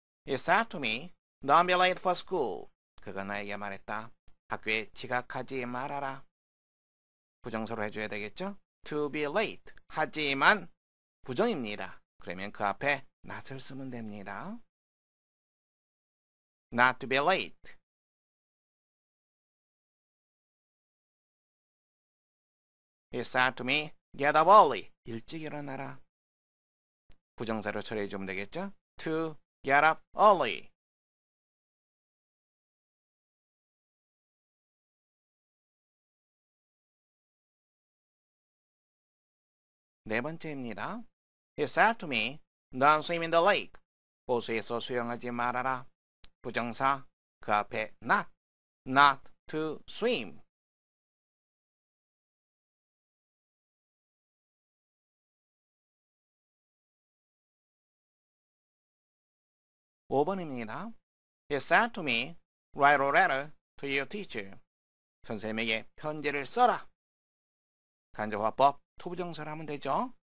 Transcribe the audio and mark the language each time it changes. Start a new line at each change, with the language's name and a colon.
English: He said to me, "Don't be late for school."
Korean: 그가 나에게 말했다. 학교에 지각하지 말아라. 부정사로 해줘야 되겠죠?
English: To be late.
Korean: 하지만 부정입니다. 그러면 그 앞에 not을 쓰면 됩니다.
English: Not to be late. 'He said to me, "Get up early."
Korean: 일찍 일어나라. 부정사로 처리해 주면 되겠죠?
English: To get up early.
Korean: 네 번째입니다.
English: He said to me, "Don't swim in the lake."
Korean: 호수에서 수영하지 말아라. 부정사 그 앞에
English: not to swim.
Korean: 5번입니다.
English: He said to me, "Write a letter to your teacher."
Korean: 선생님에게 편지를 써라. 간접화법 투부정사를 하면 되죠.